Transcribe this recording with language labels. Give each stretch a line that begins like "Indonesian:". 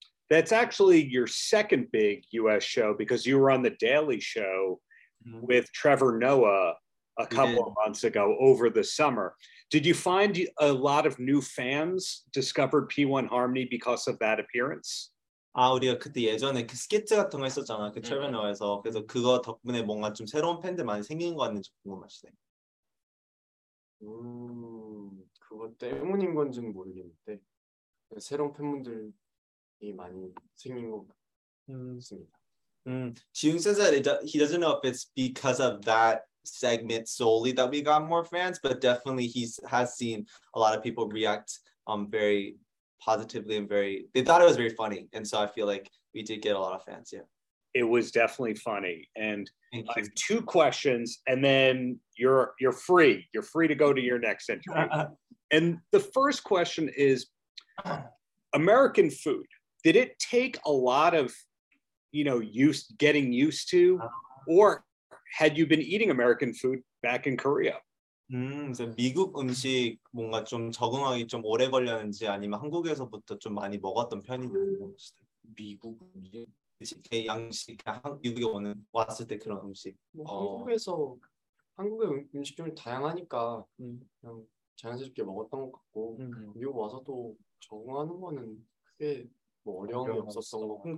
English: That's actually your second big US show because you were on The Daily Show with Trevor Noah a couple of months ago over the summer. Did you find a lot of new fans discovered P1Harmony because of that appearance?
Korean: 아 우리가 그때 예전에 그 스케치 같은 거 했었잖아 그 트레버너에서 그래서 그거 덕분에 뭔가 좀 새로운 팬들 많이 생긴 거 같은지 궁금하시네. 그거 때문인 건지는 모르겠는데 새로운 팬분들이 많이 생긴 거 같습니다.
English: 지웅 says that he doesn't know if it's because of that segment solely that we got more fans, but definitely he has seen a lot of people react very positively and very, they thought it was very funny. And so I feel like we did get a lot of fans, yeah. It was definitely funny. And I have two questions and then you're free. You're free to go to your next interview. And the first question is American food. Did it take a lot of, you know, getting used to, or had you been eating American food back in Korea?
Korean: 미국 음식 뭔가 좀 적응하기 좀 오래 걸렸는지 아니면 한국에서부터 좀 많이 먹었던 편인지 미국 음식 그 양식 한국에 오는 왔을 때 그런 음식 뭐 한국에서 한국의 음식 좀 다양하니까 그냥 자연스럽게 먹었던 것 같고 미국 와서도 적응하는 거는 크게 뭐 어려움이 없었던 것 같아요.